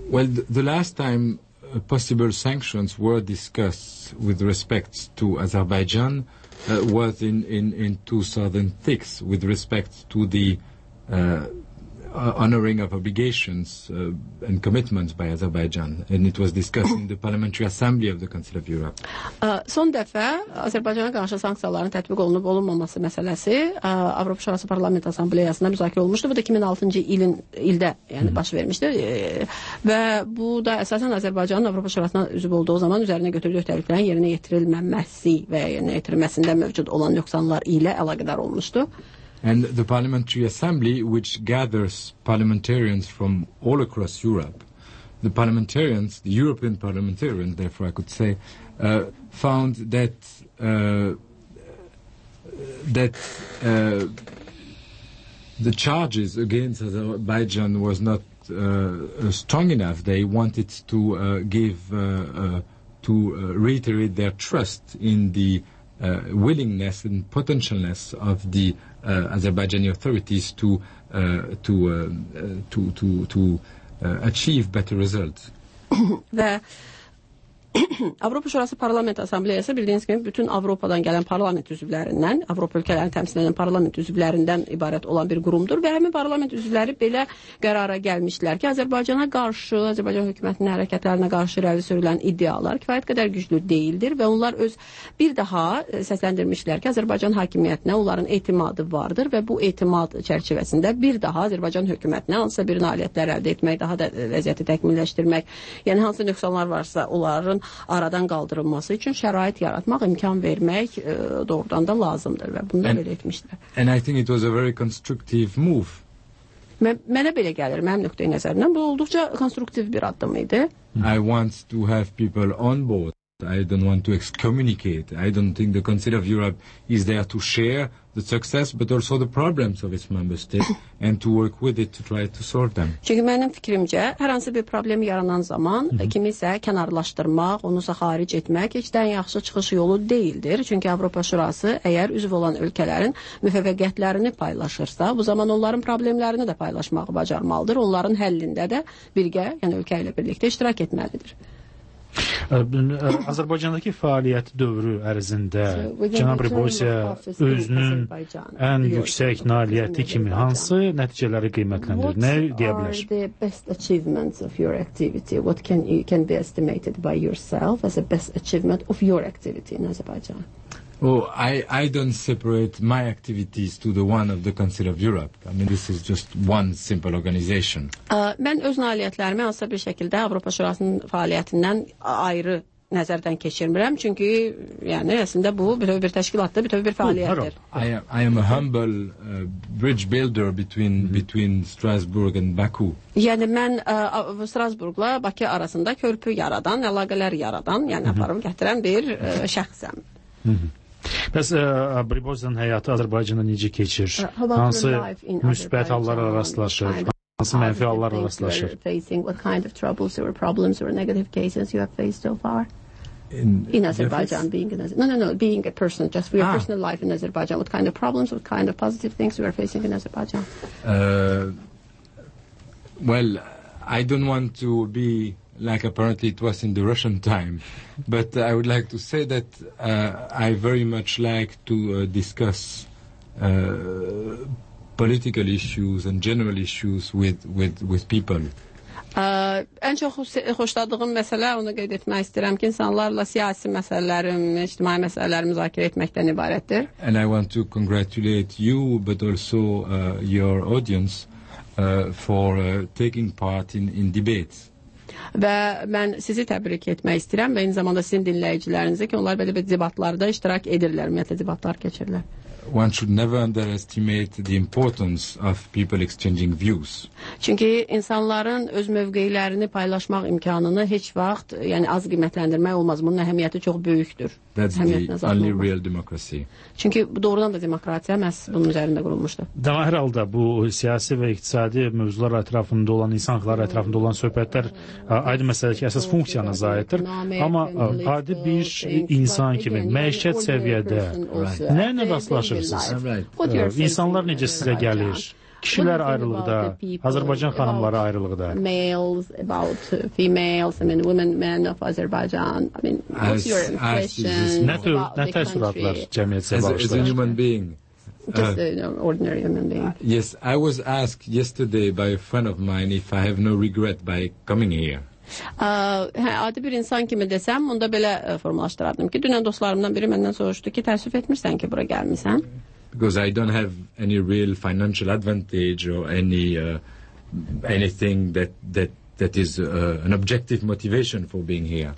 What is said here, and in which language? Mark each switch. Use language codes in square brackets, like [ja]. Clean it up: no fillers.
[en] Well, the last time possible sanctions were discussed with respect to Azerbaijan was in 2006 with respect to the honoring of obligations and commitments by Azerbaijan, and it was discussed in the Parliamentary Assembly of the Council of Europe. [az] Son dəfə Azərbaycana qarşı sanksiyaların tətbiq olunub olunmaması məsələsi Avropa Şurası Parlament Assambleyasında müzakirə olmuşdu. Bu da 2006-cı ildə, yəni baş vermişdi. Və bu da əsasən Azərbaycanın Avropa Şurasına üzv olduğu zaman üzərinə götürdüyü öhdəliklərin yerinə yetirilməməsi və yerinə yetirilməsində mövcud olan nöqsanlar ilə əlaqədar olmuşdu. [en] And the Parliamentary Assembly, which gathers parliamentarians from all across Europe, the parliamentarians, the European parliamentarians, therefore I could say, found that the charges against Azerbaijan was not strong enough. They wanted to reiterate their trust in the willingness and potentialness of the Azerbaijani authorities to achieve better results. [az] Və Avropa Şurası Parlament Assambleyası bildiyiniz kimi bütün Avropadan gələn parlament üzvlərindən, Avropa ölkələrini təmsil edən parlament üzvlərindən ibarət olan bir qurumdur və həmin parlament üzvləri belə qərara gəlmişdilər ki, Azərbaycana qarşı, Azərbaycan hökumətinin hərəkətlərinə qarşı irəli sürülən iddialar kifayət qədər güclü deyildir və onlar öz bir daha səsləndirmişdilər ki, Azərbaycan hakimiyyətinə onların etimadı vardır və bu etimad çərçivəsində bir daha Azərbaycan hökumətinə hansısa bir nailiyyətlər əldə etmək, daha da vəziyyəti təkmilləşdirmək, yəni hansı nöqsanlar varsa onlar aradan qaldırılması üçün şərait yaratmaq, imkan vermək doğrudan da lazımdır və bunu belə etmişdir. [en] And I think it was a very constructive move. [az] Mənə belə gəlir, mənim nöqtəyi nəzərindən bu olduqca konstruktiv bir addım idi. [en] I want to have people on board. I don't want to excommunicate. I don't think the Council of Europe is there to share the success but also the problems of its member states and to work with it to try to solve them. [az] Çünki mənim fikrimcə, hər hansı bir problem yaranan zaman kimisə kənarlaşdırmaq, onu isə xaric etmək heç də yaxşı çıxış yolu deyildir. Çünki Avropa Şurası əgər üzv olan ölkələrin müvəffəqiyyətlərini paylaşırsa, bu zaman onların problemlərini də paylaşmağı bacarmalıdır. Onların həllində də birgə, yəni ölkə ilə birlikdə iştirak etməlidir. Azərbaycandakı fəaliyyət dövrü ərzində Cənab Rebosiya özünün ən yüksək nailiyyəti kimi hansı nəticələri qiymətləndirir? Nə deyə bilər? [en] What are the best achievements of your activity? What can be estimated by yourself as a best achievement of your activity in Azerbaijan? Oh, I don't separate my activities to the one of the Council of Europe. I mean, this is just one simple organization. [az] Mən öz nailiyyətlərimi hansısa bir şəkildə Avropa Şurasının fəaliyyətindən ayrı nəzərdən keçirmirəm. Çünki, yəni, əslində bu bütöv bir təşkilatdır, bütöv bir fəaliyyətdir. [en] I am a humble bridge builder between Strasbourg and Baku. [az] Yəni, mən Strasbourg'la Bakı arasında körpü yaradan, əlaqələr yaradan, yəni, aparım, gətirən bir şəxsəm. Bəs Briboz'un həyatı Azərbaycanda necə keçir? Hansı müsbət hallara rastlaşır? Hansı mənfi hallar rastlaşır? [en] What kind of troubles or problems or negative cases you have faced so far? In Azerbaijan, being in Azerbaijan. No, being a person, just for your personal life in Azerbaijan. What kind of problems, what kind of positive things you are facing in Azerbaijan? Well, I don't want to be like apparently it was in the Russian time, but I would like to say that I very much like to discuss political issues and general issues with people. [az] Ən çox xoşladığım məsələ, onu qeyd etmək istəyirəm ki, insanlarla siyasi məsələlərim, ictimai məsələlərim müzakirə etməkdən ibarətdir. [en] And I want to congratulate you, but also your audience, for taking part in debates. [az] Və mən sizi təbrik etmək istəyirəm və eyni zamanda sizin dinləyicilərinizi ki, onlar belə bir debatlarda iştirak edirlər, ümumiyyətlə debatlar keçirlər. [en] One should never underestimate the importance of people exchanging views. [az] Çünki insanların öz mövqeylərini paylaşmaq imkanını heç vaxt, yəni az qiymətləndirmək olmaz. Bunun əhəmiyyəti çox böyükdür. [en] That's the only real democracy. [az] Çünki bu doğrudan da demokratiya məhz bunun üzərində qurulmuşdur. Daha hər halda bu siyasi və iqtisadi mövzular ətrafında olan, insan hüquqları ətrafında olan söhbətlər aid məsələ ki, əsas funksiyana zəhətdir. Amma adi bir insan kimi, məişət səviyyədə, nə ilə rastlaşırsınız? İnsanlar necə sizə gəlir? Kişilər ayrılıqda, Azərbaycan xanımları ayrılıqda. [en] Males, about females, I mean, women, men of Azerbaijan. I mean, what's your impression about the country? [az] Nə təəssüratlar cəmiyyətsə bağışlar? [en] As a human being. Ordinary human being. Yes, I was asked yesterday by a friend of mine if I have no regret by coming here. [az] Adi bir insan kimi desəm, onda belə formalaşdırardım ki, dünən dostlarımdan biri məndən soruşdu ki, təəssüf etmirsən ki, bura gəlmirsən? [en] Because I don't have any real financial advantage or any anything that is an objective motivation for being here.